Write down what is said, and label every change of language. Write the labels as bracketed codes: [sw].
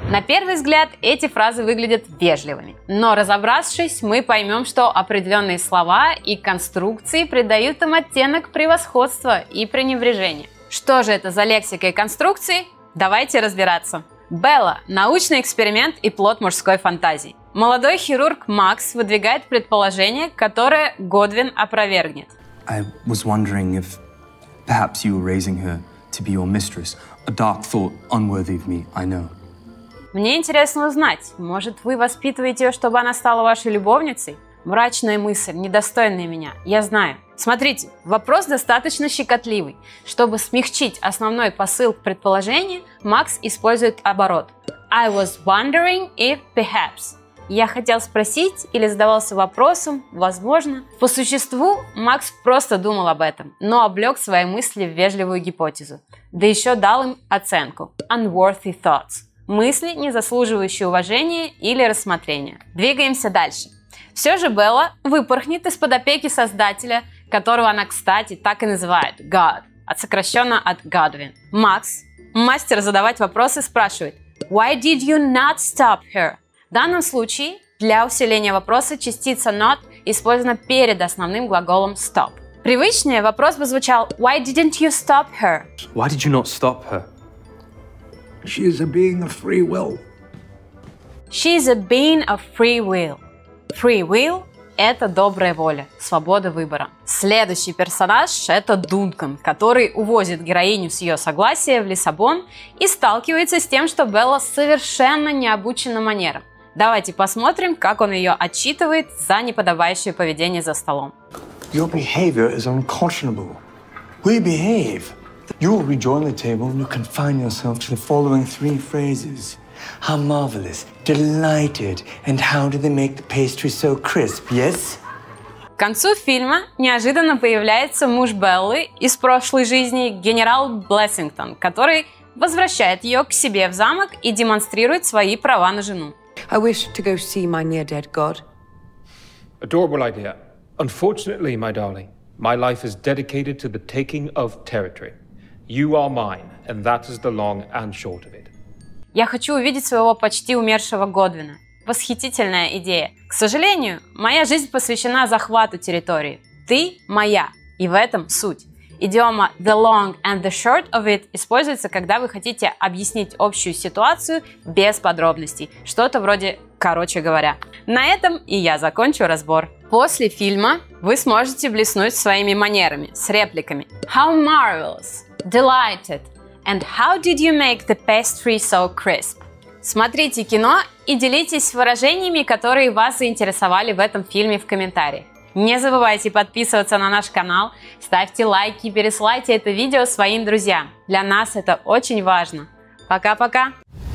[ru] На первый взгляд эти фразы выглядят вежливыми. Но разобравшись, мы поймем, что определенные слова и конструкции придают им оттенок превосходства и пренебрежения. Что же это за лексика и конструкции? Давайте разбираться. Белла – научный эксперимент и плод мужской фантазии. Молодой хирург Макс выдвигает предположение, которое Годвин опровергнет. [en] I was wondering if perhaps you were raising her to be your mistress. A dark thought, unworthy of me, I know. [ru] Мне интересно узнать, может, вы воспитываете ее, чтобы она стала вашей любовницей? Мрачная мысль, недостойная меня, я знаю. Смотрите, вопрос достаточно щекотливый. Чтобы смягчить основной посыл к предположению, Макс использует оборот. [en] I was wondering if perhaps. [ru] Я хотел спросить или задавался вопросом, возможно. По существу, Макс просто думал об этом, но облег свои мысли в вежливую гипотезу. Да еще дал им оценку. [en] Unworthy thoughts. [ru] Мысли, не заслуживающие уважения или рассмотрения. Двигаемся дальше. Все же Белла выпорхнет из-под опеки создателя, которого она, кстати, так и называет. [en] God. [ru] От сокращенно от Godwin. Макс, мастер задавать вопросы, спрашивает. [en] Why did you not stop her? [ru] В данном случае для усиления вопроса частица not использована перед основным глаголом stop. Привычнее вопрос бы звучал [en] why didn't you stop her? Why did you not stop her? She is a being of free will. She is a being of free will. [ru] Free will – это добрая воля, свобода выбора. Следующий персонаж – это Дункан, который увозит героиню с ее согласия в Лиссабон и сталкивается с тем, что Белла совершенно не обучена манерам. Давайте посмотрим, как он ее отчитывает за неподобающее поведение за столом. [en] Your behavior is unconscionable. We behave. You will rejoin the table and you confine yourself to the following three phrases. How marvelous, delighted, and how do they make the pastry so crisp, yes? [ru] К концу фильма неожиданно появляется муж Беллы из прошлой жизни, генерал Блессингтон, который возвращает ее к себе в замок и демонстрирует свои права на жену. [en] I wish to go see my near-dead god. Adorable idea. Unfortunately, my darling, my life is dedicated to the taking of territory. You are mine, and that is the long and short of it. [ru] Я хочу увидеть своего почти умершего Годвина. Восхитительная идея. К сожалению, моя жизнь посвящена захвату территории. Ты моя. И в этом суть. Идиома [en] «the long and the short of it» [ru] используется, когда вы хотите объяснить общую ситуацию без подробностей. Что-то вроде «короче говоря». На этом и я закончу разбор. После фильма вы сможете блеснуть своими манерами с репликами. [en] How marvelous, delighted, and how did you make the pastry so crisp? [ru] Смотрите кино и делитесь выражениями, которые вас заинтересовали в этом фильме в комментариях. Не забывайте подписываться на наш канал, ставьте лайки, пересылайте это видео своим друзьям. Для нас это очень важно. Пока-пока!